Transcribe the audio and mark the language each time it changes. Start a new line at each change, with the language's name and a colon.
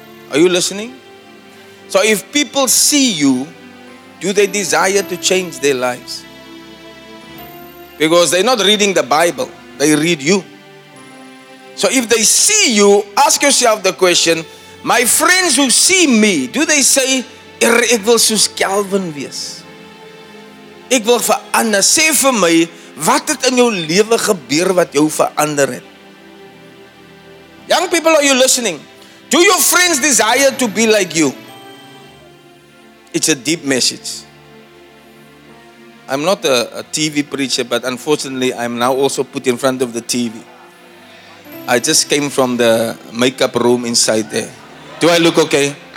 English: Are you listening? So if people see you, do they desire to change their lives? Because they're not reading the Bible, they read you. So if they see you, ask yourself the question, my friends who see me, do they say,
Afrikaans: ek wil soos Calvin wees? Ek wil verander. Sê vir my, wat het in jou lewe gebeur wat jou verander het?
English: Young people, are you listening? Do your friends desire to be like you? It's a deep message. I'm not a TV preacher, but unfortunately, I'm now also put in front of the TV. I just came from the makeup room inside there. Do I look okay?